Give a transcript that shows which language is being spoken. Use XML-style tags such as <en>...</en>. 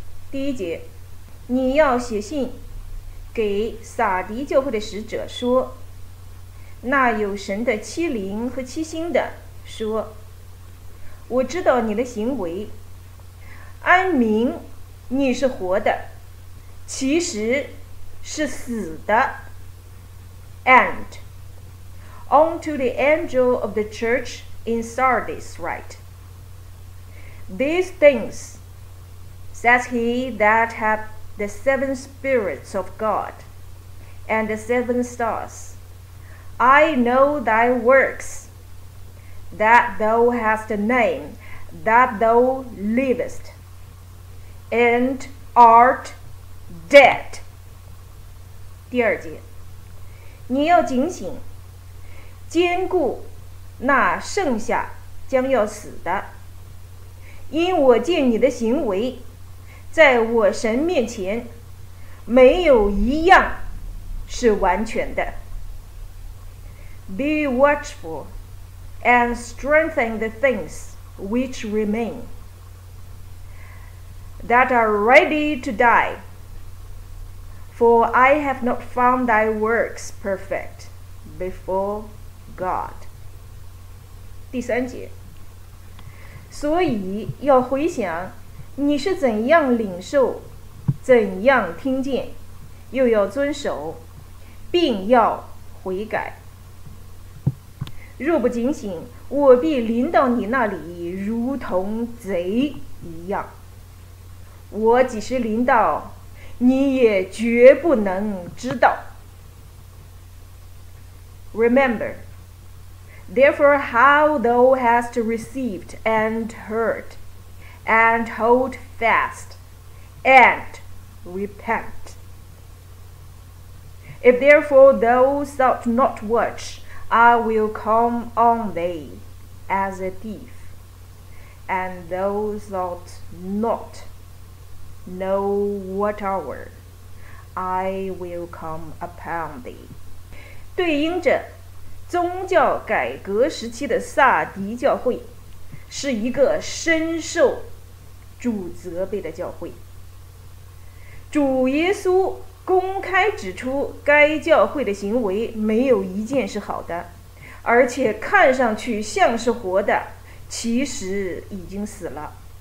<zh>第一节，你要写信给撒狄教会的使者说，那有神的七灵和七星的说，我知道你的行为，按名你是活的，其实是死的。</zh> <en>And unto the angel of the church in Sardis write, These things says he that hath the seven spirits of God and the seven stars, I know thy works, that thou hast a name, that thou livest, and art dead.</en> <zh>第二节，你要警醒，坚固那剩下将要死的，因我见你的行为，在我神面前没有一样是完全的。</zh> <en>Be watchful and strengthen the things which remain that are ready to die, for I have not found thy works perfect before God.</en> <zh>第三节，所以要回想你是怎样领受，怎样听见，又要遵守，并要悔改。若不警醒，我必临到你那里，如同贼一样。我几时临到，你也绝不能知道。</zh> <en>Remember, therefore, how thou hast received and heard. And hold fast, and repent. If therefore thou shalt not watch, I will come on thee as a thief, and thou shalt not know what hour I will come upon thee.</en> <zh>对应着宗教改革时期的撒狄教会，是一个深受主责备的教会。主耶稣公开指出该教会的行为没有一件是好的，而且看上去像是活的，其实已经死了。</zh>